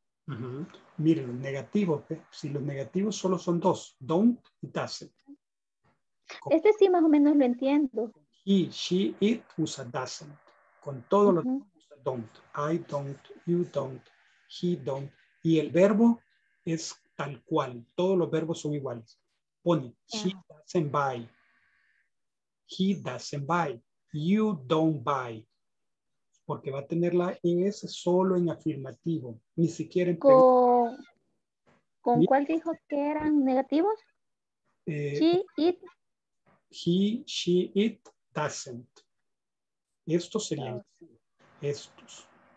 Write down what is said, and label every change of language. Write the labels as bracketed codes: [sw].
[es] Uh-huh. Miren, los negativos, si los negativos solo son dos, don't y doesn't. Este sí más o menos lo entiendo. He, she, it usa doesn't. Con todos los demás usa don't. [en] I don't, you don't, he don't. [es] Y el verbo es tal cual, todos los verbos son iguales. Pone, [en] she doesn't buy, he doesn't buy, you don't buy. [es] Porque va a tener la ES solo en afirmativo, ni siquiera en ¿Con cuál dijo que eran negativos? [en] He, it doesn't. [es] Estos serían estos.